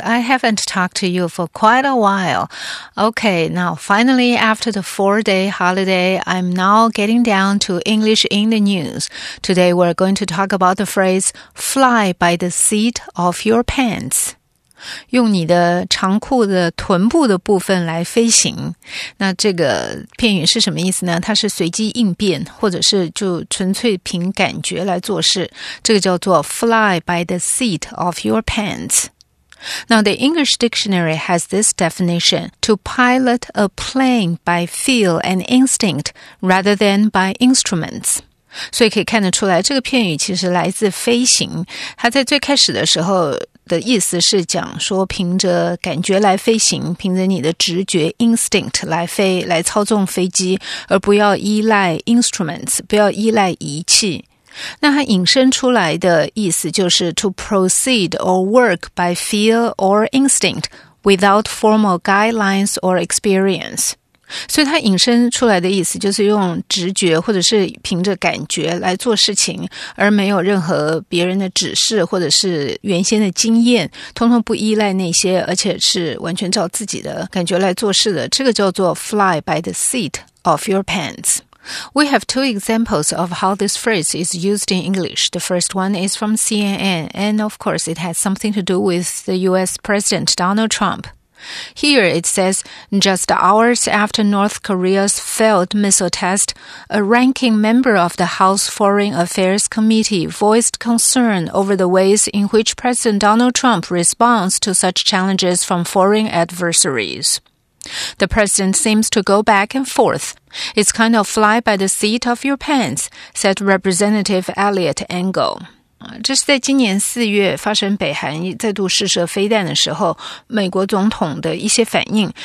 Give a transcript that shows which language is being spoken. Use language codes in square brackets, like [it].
[en] I haven't talked to you for quite a while. Okay, now finally after the 4-day holiday, I'm now getting down to English in the News. Today we're going to talk about the phrase fly by the seat of your pants. [zh] 用你的长裤的臀部的部分来飞行。那这个片语是什么意思呢？它是随机应变，或者是就纯粹凭感觉来做事。这个叫做 [en] fly by the seat of your pants。 Now the English dictionary has this definition, to pilot a plane by feel and instinct rather than by instruments. [zh] 所以可以看得出来，这个片语其实来自飞行。它在最开始的时候的意思是讲说凭着感觉来飞行，凭着你的直觉 instinct 来飞，来操纵飞机，而不要依赖 instruments， 不要依赖仪器。那它引申出来的意思就是 [en] to proceed or work by feel or instinct without formal guidelines or experience。 [zh] 所以它引申出来的意思就是用直觉或者是凭着感觉来做事情，而没有任何别人的指示或者是原先的经验，通通不依赖那些，而且是完全照自己的感觉来做事的。这个叫做 [en] fly by the seat of your pants。 We have two examples of how this phrase is used in English. The first one is from CNN, and of course it has something to do with the US President Donald Trump. Here it says, just hours after North Korea's failed missile test, a ranking member of the House Foreign Affairs Committee voiced concern over the ways in which President Donald Trump responds to such challenges from foreign adversaries. The president seems to go back and forth. It's kind of fly by the seat of your pants, said Representative Elliot Engel. [zh] 这是在今年四月发生北韩再度试射飞弹的时候，美国总统的一些反应。